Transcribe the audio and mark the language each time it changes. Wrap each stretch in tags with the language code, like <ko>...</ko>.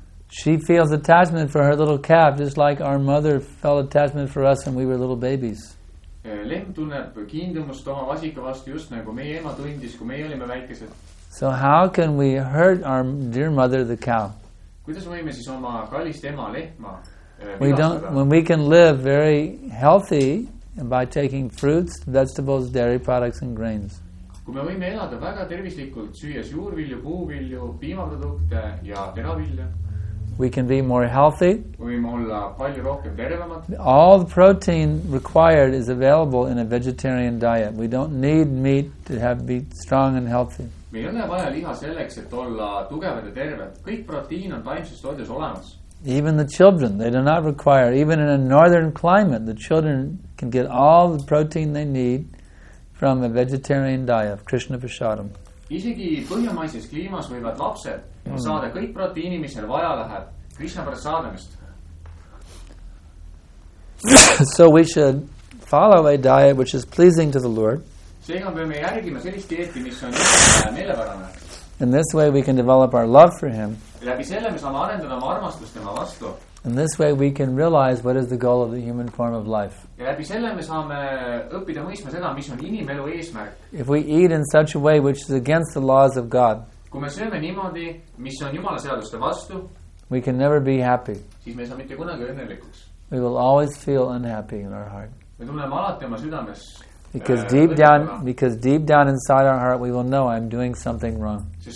<en>She feels attachment for her little calf, just like our mother felt attachment for us when we were little babies.</en> <et>Lehm tunneb kiindumust oma vasika vastu, just nagu meie ema tundis, kui meie olime väikesed.</et> <en>So how can we hurt our dear mother, the cow?</en> <et>Kuidas võime siis oma kallist ema lehma?</et> <en>We don't, when we can live very healthy by taking fruits, vegetables, dairy products and grains.</en> <et>Kui me võime elada väga tervislikult, süües juurvilju, puuvilju, piimaprodukte ja teravilju.</et> <en>We can be more healthy.</en> <et>Me võime olla palju rohkem tervemad.</et> <en>All the protein required is available in a vegetarian diet. We don't need meat to have be strong and healthy.</en> <et>Me ei ole vaja liha selleks, et olla tugevad ja terved. Kõik proteiin on taimses toides olemas.</et> <en>Even the children, they do not require, even in a northern climate, the children can get all the protein they need from a vegetarian diet, Krishna Prasadam.</en> <et>Isegi põhjamaises kliimas võivad lapsed saada kõik proteiini, mis seal vaja läheb, Krishna Prasadamist.</et> <en>So we should follow a diet which is pleasing to the Lord.</en> <et>Seega peame järgima sellist dieeti, mis on meelepärane.</et> <en>In this way we can develop our love for him.</en> <et>Läbi selle me saame arendada oma armastust tema vastu.</et> <en>In this way we can realize what is the goal of the human form of life.</en> <et>Ja läbi selle me saame õppida mõisma seda, mis on inimelu eesmärk.</et> <en>If we eat in such a way which is against the laws of God,</en> <et>kui me sööme niimoodi, mis on Jumala seaduste vastu,</et> <en>we can never be happy.</en> <et>Siis me ei saa mitte kunagi õnnelikuks.</et> <en>We will always feel unhappy in our heart.</en> <et>Me tunneme alati oma südames.</et> <en>Because deep down inside our heart we will know I'm doing something wrong.</en>